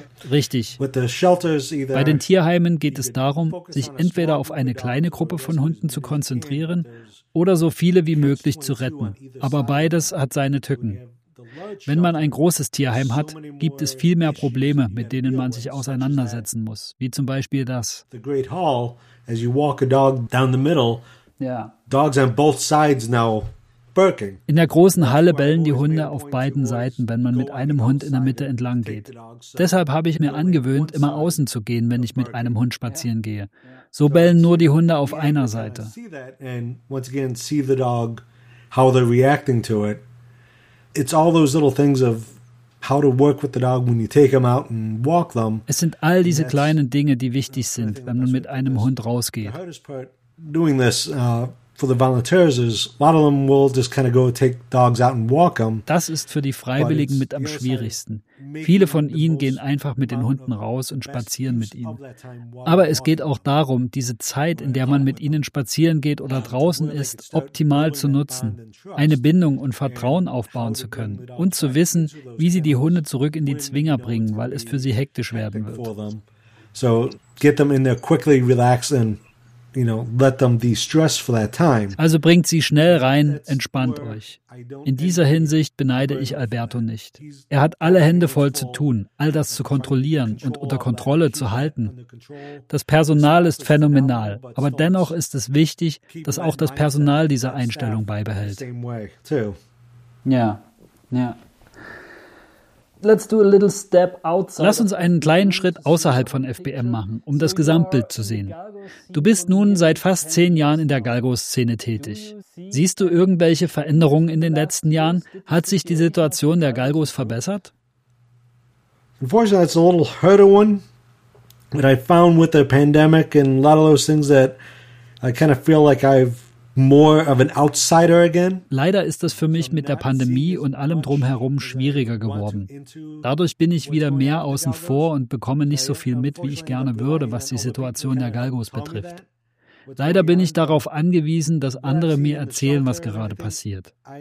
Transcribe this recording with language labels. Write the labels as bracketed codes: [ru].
[de] Richtig. Bei den Tierheimen geht es darum, sich entweder auf eine kleine Gruppe von Hunden zu konzentrieren oder so viele wie möglich zu retten. Aber beides hat seine Tücken. Wenn man ein großes Tierheim hat, gibt es viel mehr Probleme, mit denen man sich auseinandersetzen muss. Wie zum Beispiel das. [en] The Great Hall, as you walk a dog down the middle, dogs on both sides now barking. [de] In der großen Halle bellen die Hunde auf beiden Seiten, wenn man mit einem Hund in der Mitte entlang geht. Deshalb habe ich mir angewöhnt, immer außen zu gehen, wenn ich mit einem Hund spazieren gehe. So bellen nur die Hunde auf einer Seite. [en] And once again, see the dog, how they're reacting to it. It's all those little things of how to work with the dog when you take him out and walk them. [de] Es sind all diese kleinen Dinge, die wichtig sind, wenn man mit einem Hund rausgeht. [en] The hardest part doing this for the volunteers is a lot of them will just kind of go take dogs out and walk them. [de] Das ist für die Freiwilligen mit am schwierigsten. Viele von ihnen gehen einfach mit den Hunden raus und spazieren mit ihnen. Aber es geht auch darum, diese Zeit, in der man mit ihnen spazieren geht oder draußen ist, optimal zu nutzen, eine Bindung und Vertrauen aufbauen zu können und zu wissen, wie sie die Hunde zurück in die Zwinger bringen, weil es für sie hektisch werden wird. [en] So get them in there quickly, relax and, you know, let them de-stress for that time. [de] Also bringt sie schnell rein, entspannt euch. In dieser Hinsicht beneide ich Alberto nicht. Er hat alle Hände voll zu tun, all das zu kontrollieren und unter Kontrolle zu halten. Das Personal ist phänomenal, aber dennoch ist es wichtig, dass auch das Personal diese Einstellung beibehält. Ja, ja. [en] Let's do a little step outside. [de] Lass uns einen kleinen Schritt außerhalb von FBM machen, um das Gesamtbild zu sehen. Du bist nun seit fast 10 Jahren in der Galgo-Szene tätig. Siehst du irgendwelche Veränderungen in den letzten Jahren? Hat sich die Situation der Galgos verbessert? [en] Unfortunately, it's a little harder one that I found with the pandemic and a lot of those things that I kind of feel like I've more of an outsider again. [de] Leider ist das für mich mit der Pandemie und allem drumherum schwieriger geworden. Dadurch bin ich wieder mehr außen vor und bekomme nicht so viel mit, wie ich gerne würde, was die Situation der Galgos betrifft. Leider bin ich darauf angewiesen, dass andere mir erzählen, was gerade passiert.